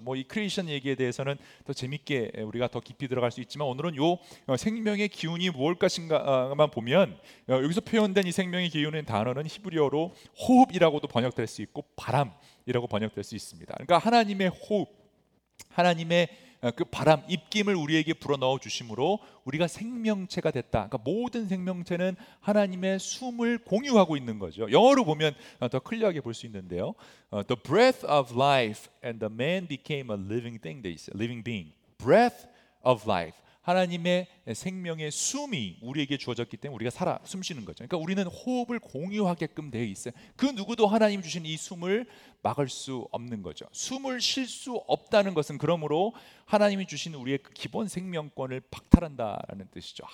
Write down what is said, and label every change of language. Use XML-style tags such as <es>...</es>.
<ko>뭐 이 크리에이션 얘기에 대해서는 더 재밌게 우리가 더 깊이 들어갈 수 있지만 오늘은 요 생명의 기운이 무엇인가만 보면 여기서 표현된 이 생명의 기운의 단어는 히브리어로 호흡이라고도 번역될 수 있고 바람이라고 번역될 수 있습니다. 그러니까 하나님의 호흡, 하나님의 그 바람, 입김을 우리에게 불어넣어 주심으로 우리가 생명체가 됐다. 그러니까 모든 생명체는 하나님의 숨을 공유하고 있는 거죠. 영어로 보면 더 클리어하게 볼 수 있는데요.</ko> <en>The breath of life and the man became a living thing. They say, living being. Breath of life.</en> <ko>하나님의 생명의 숨이 우리에게 주어졌기 때문에 우리가 살아 숨쉬는 거죠. 그러니까 우리는 호흡을 공유하게끔 되어 있어요. 그 누구도 하나님 주신 이 숨을 막을 수 없는 거죠. 숨을 쉴 수 없다는 것은 그러므로 하나님이 주신 우리의 그 기본 생명권을 박탈한다라는 뜻이죠.</ko>